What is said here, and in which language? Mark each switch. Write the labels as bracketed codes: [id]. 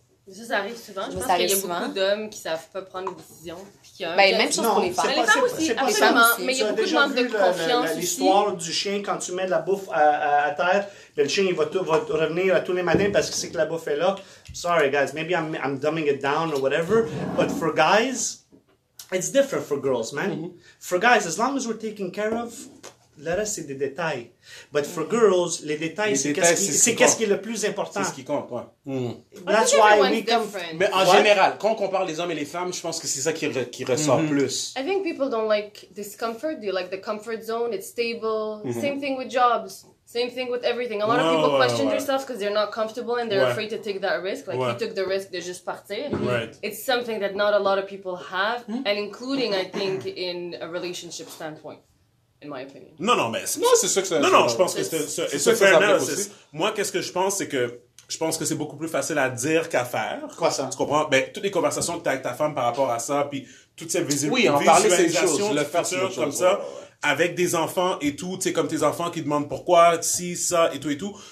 [fr] Ça arrive souvent. Je pense qu'il y a beaucoup d'hommes qui savent pas prendre des décisions. Ben, même chose pour les femmes. Les femmes aussi, absolument. Mais il y a beaucoup de manque de confiance aussi. L'histoire du chien, quand tu mets de la bouffe à terre, le chien il va revenir tous les matins parce qu'il sait que la bouffe est là. [en] Sorry, guys. Maybe I'm dumbing it down or whatever. But for guys, it's different for girls, man. Mm-hmm. For guys, as long as we're taken care of... [fr] Le reste, c'est des détails. [en] But for girls, [fr] les détails, c'est qu'est-ce qui est le plus important. C'est ce qui compte, ouais. [en] Mm. That's why we different. Come... [fr] Mais en général, quand on compare les hommes et les femmes, je pense que c'est ça qui ressort plus. [en] I think people don't like discomfort. They like the comfort zone, it's stable. Mm-hmm. Same thing with jobs. Same thing with everything. A lot of people question themselves because they're not comfortable and they're afraid to take that risk. Like, he took the risk [fr] de juste partir. [en] Right. It's something that not a lot of people have, and including, I think, in a relationship standpoint. In my opinion. [fr] Je pense que c'est un [en] fair analysis. [fr] Moi, qu'est-ce que je pense, c'est que je pense que c'est beaucoup plus facile à dire qu'à faire. Quoi ça? Tu comprends? Ben, toutes les conversations que tu as avec ta femme par rapport à ça, puis toutes ces visualisations, le faire sur comme ça, avec des enfants et tout, tu sais, comme tes enfants qui demandent pourquoi, si, ça et tout et tout.